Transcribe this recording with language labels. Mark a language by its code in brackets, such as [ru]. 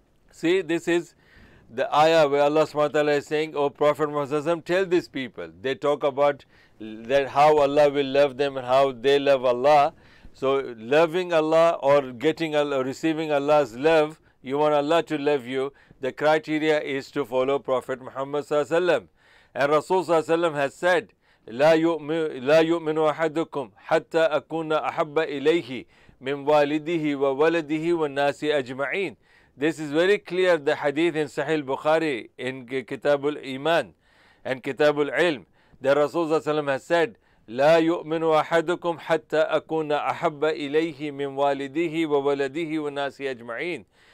[en] See, this is the ayah where Allah subhanahu wa ta'ala is saying, O Prophet Muhammad, tell these people. They talk about that how Allah will love them and how they love Allah. So loving Allah, or getting or receiving Allah's love, You want Allah to love you, the criteria is to follow Prophet Muhammad sallallahu alaihi wasallam. And Rasul sallallahu alaihi wasallam has said, [ar] لا يؤمن أحدكم حتى أكون أحب إليه من والده وولده والناس أجمعين. [en] This is very clear, the hadith in Sahih al-Bukhari in Kitab al-Iman and Kitab al-Ilm. The Rasul sallallahu alaihi wasallam has said, [ar] لا يؤمن أحدكم حتى أكون أحب إليه من والده وولده والناس أجمعين.